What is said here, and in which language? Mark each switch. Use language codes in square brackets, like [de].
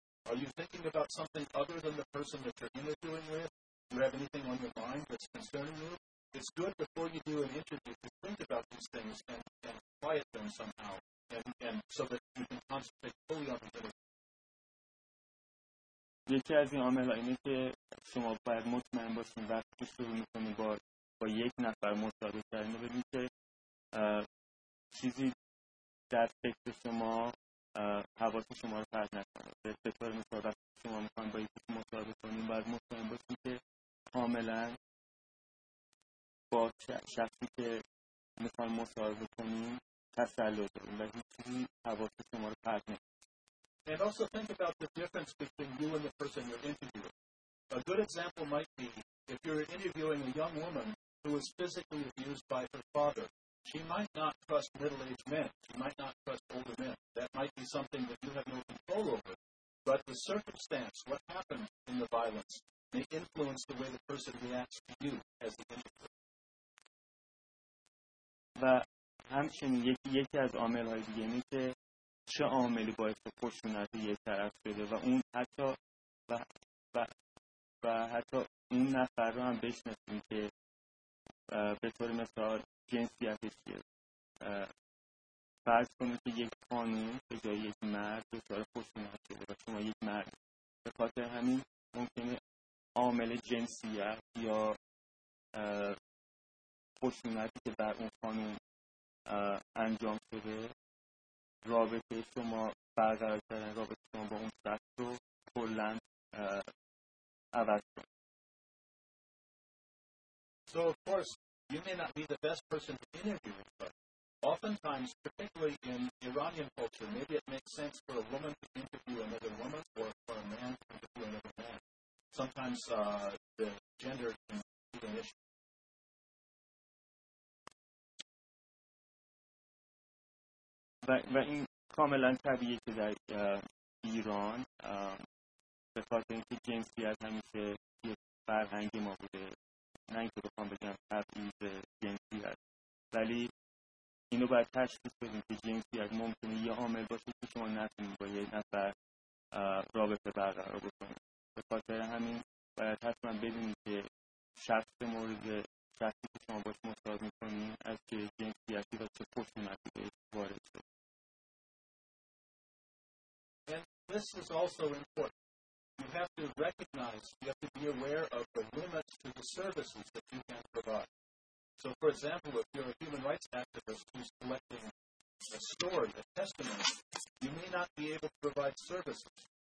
[en] Are you thinking about something other than the person that you're interviewing with? Do you have anything on your mind that's concerning you? It's good before you do an interview to think about these things and quiet them somehow, and so that you can concentrate fully on the interview. [fa] یکی از این عامل‌ها اینه که شما باید مطمئن باشین وقتی که شروع می‌کنی با یک نفر مصاحبه کردن، ببینید که چیزی در فکر شما حواس شما رو پرت نکنه. به طور مثال وقتی شما می‌خواید با یکی مصاحبه کنید، باید مطمئن باشین که کاملا با شخصی که می‌خواید مصاحبه کنید تسلط دارین و هیچ چیزی حواس شما رو پرت نکنه. [en] And also also think about the difference between you and the person you're interviewing. A good example might be if you're interviewing a young woman who was physically abused by her father. She might not trust middle-aged men. She might not trust older men. That might be something that you have no control over. But the circumstance, what happened in the violence, may influence the way the person reacts to you as the interviewer. [fa] همچنین یکی از عامل‌های دیگه اینه که چه عاملی باعث خشونت یه طرف بده و اون حتی و حتی اون نفر رو هم بشناسیم که به طور مثال جنسیتش چیه. فرض کنید که یک خانم به جای یک مرد دچار خشونت شده و شما یک مرد، به خاطر همین ممکنه عامل جنسیت یا خشونتی که بر اون خانم انجام شده رابطه شما برقرار کردن رابطه شما با اون شخص رو کلن عوض کنید. [en] So of course you may not be the best person to interview, but oftentimes, particularly in Iranian culture, maybe it makes sense for a woman to interview another woman or for a man to interview another man. Sometimes the gender can be an issue. [fa] و این کاملا طبیعیه که در ایران به خاطر اینکه جنسیت همیشه یه فرهنگ ما بوده، نه اینکه بخوام بگم تبعیض جنسیت، ولی اینو باید تشخیص بدیم که جنسیت ممکنه یه عامل باشه که شما نتونید با یه نفر رابطه برقرار بکنید. به خاطر همین باید حتما بدونید که شخص مورد شخصی که شما باش مصاحبه میکنید از چه جنسیتی و چه خصومتی بهش وارد شد. [en] And this is also important. You have to recognize, you have to be aware of the limits to the services that you can provide. So, for example, if you're a human rights activist who's collecting a story, a testimony, you may not be able to provide services.